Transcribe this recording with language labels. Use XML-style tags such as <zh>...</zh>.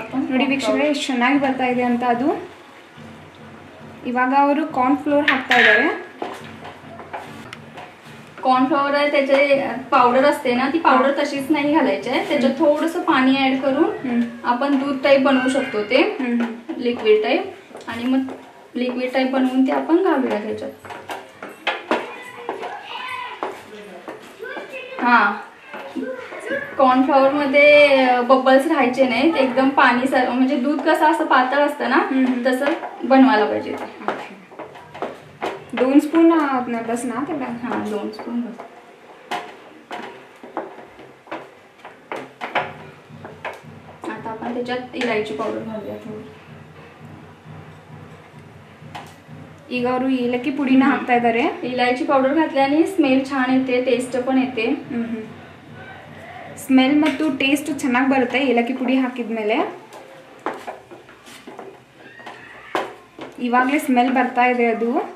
<kn>ನೋಡಿ ವೀಕ್ಷಕರೇ ಎಷ್ಟು ಚೆನ್ನಾಗಿ ಬರ್ತಾ ಇದೆ ಅಂತ. ಅದು ಇವಾಗ ಅವರು ಕಾರ್ನ್ಫ್ಲೋರ್ ಹಾಕ್ತಾ ಇದ್ದಾರೆ.</kn> <mr>कॉर्नफ्लॉवर आहे, त्याचे पावडर असते ना, ती पावडर तशीच नाही घालायची आहे. त्याच्यात थोडस पाणी ऍड करून आपण दूध टाईप बनवू शकतो, ते लिक्विड टाईप. आणि मग लिक्विड टाईप बनवून ते आपण घालूया त्याच्यात. हा कॉर्नफ्लॉवर मध्ये बबल्स राहायचे नाहीत, एकदम पाणी सर म्हणजे दूध कसं असं पातळ असतं ना तसं बनवायला पाहिजे. 2 स्पून आपण बस ना ते. हा 2 स्पून बस. आता आपण त्याच्यात इलायची पावडर घालूया थोडी.</mr> <kn>इगारु येले की पुडीना हाकता इदारे.</kn> <mr>इलायची पावडर घातल्याने स्मेल छान येते, टेस्ट पण येते.</mr> <kn>स्मेल ಮತ್ತು टेस्ट ಚೆನ್ನಾಗಿ ಬರುತ್ತೆ ಏಲಕ್ಕಿ ಪುಡಿ ಹಾಕಿದ ಮೇಲೆ. ಇವಾಗಲೇ ಸ್ಮೆಲ್ ಬರ್ತಾ ಇದೆ ಅದು.</kn>